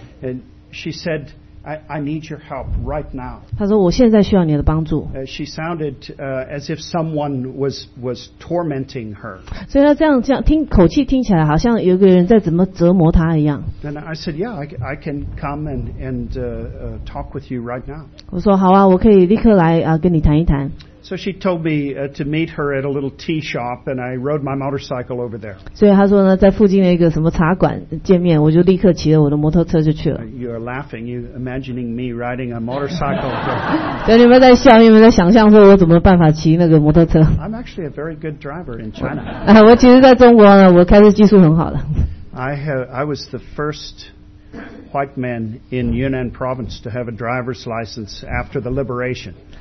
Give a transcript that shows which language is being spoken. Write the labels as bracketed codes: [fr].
[en] And she said, I need your help right now. [zh] 她说我现在需要你的帮助。 [en] She sounded as if someone was tormenting her. [zh] 所以她这样听口气听起来好像有个人在怎么折磨她一样。 [en] Then I said, yeah, I can come and talk with you right now. [zh] 我说好啊，我可以立刻来跟你谈一谈。 [en] So she told me to meet her at a little tea shop, and I rode my motorcycle over there. [zh] 所以她说呢，在附近的一个什么茶馆见面，我就立刻骑着我的摩托车就去了。 [en] You are laughing. You imagining me riding a motorcycle. [zh] 对，你们在笑，你们在想象说我怎么办法骑那个摩托车。 [en] I'm actually a very good driver in China. [zh] 我其实在中国呢，我开车技术很好的。I [en] was the first white man in Yunnan province to have a driver's license after the liberation.